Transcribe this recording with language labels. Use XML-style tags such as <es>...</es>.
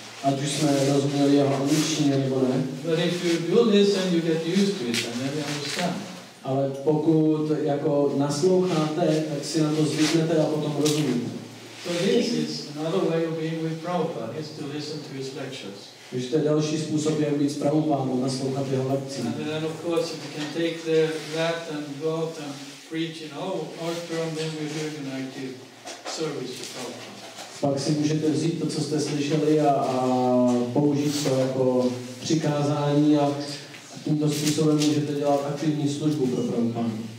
<cs>Ať už jsme rozuměli jeho angličtině nebo ne.</cs> <en>But if you do listen, you get used to it and then you understand.</en> <cs>Ale pokud jako nasloucháte, tak si na to zvyknete a potom rozumíte.</cs> <en>So this is another way of being with Prabhupada, is to listen to his lectures.</en> <cs>Takže to je další způsob, jak být s Prabhupádou, naslouchat jeho lekci.</cs> <en>And then of course, if you can take that and go out and preach in all ashram, then we're doing an active service to Prabhupada.</en> <cs>Pak si můžete vzít to, co jste slyšeli, a použít to jako přikázání, a tímto způsobem můžete dělat aktivní službu pro Prabhupádu.</cs>